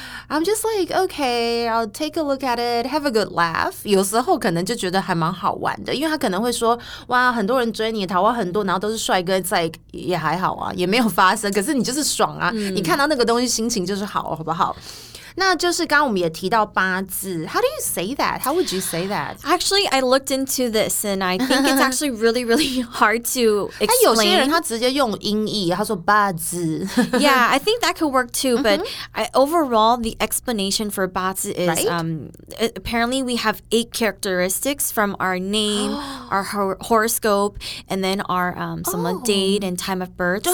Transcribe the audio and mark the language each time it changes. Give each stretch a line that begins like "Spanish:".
English: I'm just like, okay, I'll take a look at it, have a good laugh.
Chinese: 有时候可能就觉得还蛮好玩的，因为他可能会说哇，很多人追你，桃花很多，然后都是帅哥。
English: It's like,
Chinese: 也还好啊，也没有发生。可是你就是爽啊、你看到那个东西心情就是好，好不好？那就是刚刚我们也提到八字。
English: How do you say that? How would you say that? Actually, I looked into this and I think it's actually really, really hard to explain.
Chinese: 有些人他直接用音译，他说八字。
English: Yeah, I think that could work too. But、overall, the explanation for 八字is、apparently we have 8 characteristics from our name, our horoscope, and then our some、date and time of birth.